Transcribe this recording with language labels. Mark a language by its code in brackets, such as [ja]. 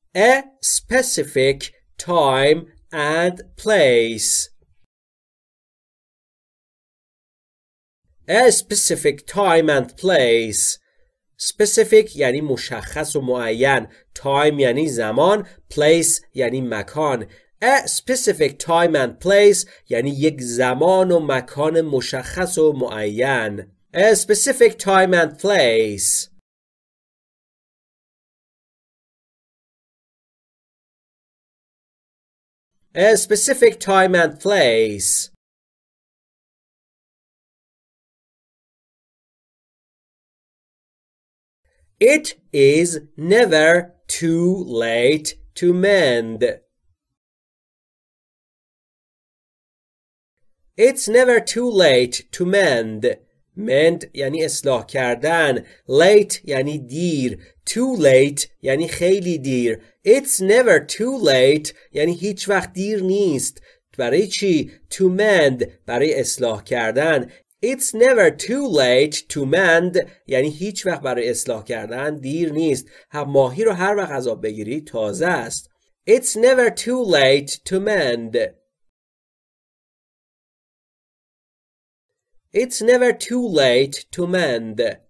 [en] A specific time and place. A specific time and place. [fa] Specific یعنی مشخص و معین. Time یعنی زمان. Place یعنی مکان. [en] A specific time and place [fa] یعنی یک زمان و مکان مشخص و معین. [en] A specific time and place. A specific time and place. It is never too late to mend. It's never too late to mend. [fa] Mend یعنی اصلاح کردن. Late یعنی دیر. [en] Too late [fa] یعنی خیلی دیر. [en] It's never too late [fa] یعنی هیچ وقت دیر نیست. برای چی؟ [en] To mend [fa] برای اصلاح کردن. [en] It's never too late to mend [fa] یعنی هیچ وقت برای اصلاح کردن دیر نیست. هم ماهی رو هر وقت از آب بگیری تازه است. [en] It's never too late to mend. It's never too late to mend.